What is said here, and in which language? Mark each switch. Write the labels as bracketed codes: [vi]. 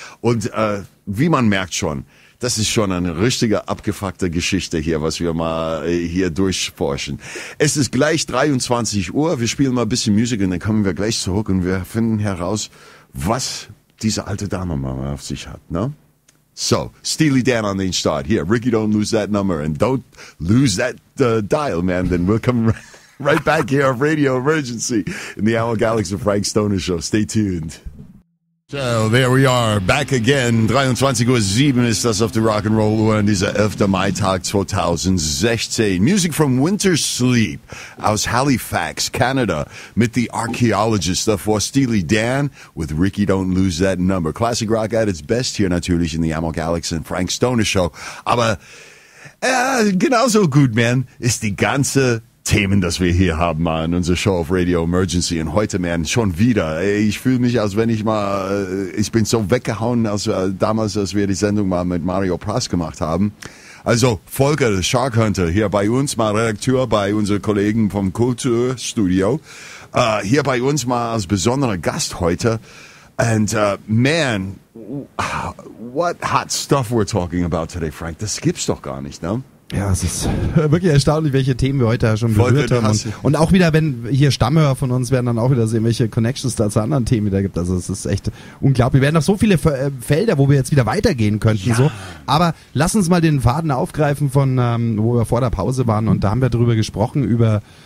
[de] Und wie man merkt schon, das ist schon eine richtige abgefuckte Geschichte hier, was wir mal hier durchforschen. Es ist gleich 23 Uhr, wir spielen mal ein bisschen Musik und dann kommen wir gleich zurück und wir finden heraus, was diese alte Dame mal auf sich hat, ne? [en] So, Steely Dan on the start. Here, Ricky, don't lose that number and don't lose that dial, man. Then we'll come right back here on Radio Emergency in the Owl Galaxy of Frank Stoner Show. Stay tuned. So, there we are, back again. [de] 23:07 ist das auf der Rock'n'Roll Uhr an dieser 11. Mai-Tag 2016. Music from Winter Sleep aus Halifax, Canada, mit The Archaeologist, davor Steely Dan, with Ricky Don't Lose That Number. [en] Classic Rock at its best [de] hier natürlich [en] in the Amo Galaxy and Frank Stoner Show. [de] Aber, genauso gut, man, ist die ganze Themen, das wir hier haben, mal in unserer Show auf Radio Emergency. Und heute, man, schon wieder. Ich fühle mich, als wenn ich bin so weggehauen, als wir die Sendung mal mit Mario Prass gemacht haben. Also, Volker, Shark Hunter, hier bei uns, mal Redakteur bei unseren Kollegen vom Kulturstudio. Hier bei uns mal als besonderer Gast heute. [en] And, man, what hot stuff we're talking about today, Frank. [de] Das gibt's doch gar nicht, ne? Ja, es ist wirklich erstaunlich, welche Themen wir heute schon berührt haben. Und auch wieder, wenn hier Stammhörer von uns werden, dann auch wieder sehen, welche Connections da zu anderen Themen wieder gibt. Also es ist echt unglaublich. Wir werden noch so viele Felder, wo wir jetzt wieder weitergehen könnten. Ja. So. Aber lass uns mal den Faden aufgreifen, von wo wir vor der Pause waren. Und da haben wir drüber gesprochen, über